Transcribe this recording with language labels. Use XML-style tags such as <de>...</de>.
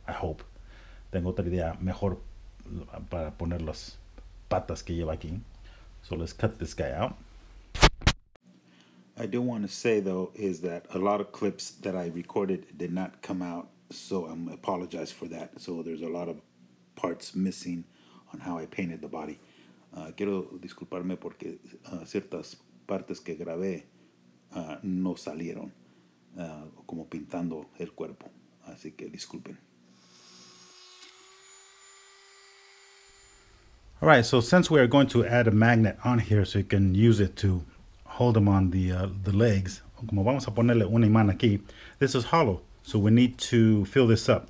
<en>I hope</en> <es>tengo otra idea mejor para poner las patas que lleva aquí.</es> <en>So let's cut this guy out. I do want to say though is that a lot of clips that I recorded did not come out, so I'm apologize for that. So there's a lot of parts missing on how I painted the body.</en> <es>Quiero disculparme porque ciertas partes que grabé no salieron como pintando el cuerpo, así que disculpen.</es> <en>All right, so since we are going to add a magnet on here so you can use it to hold them on the legs,</en> <es>como vamos a ponerle un imán aquí,</es> <en>this is hollow, so we need to fill this up.</en>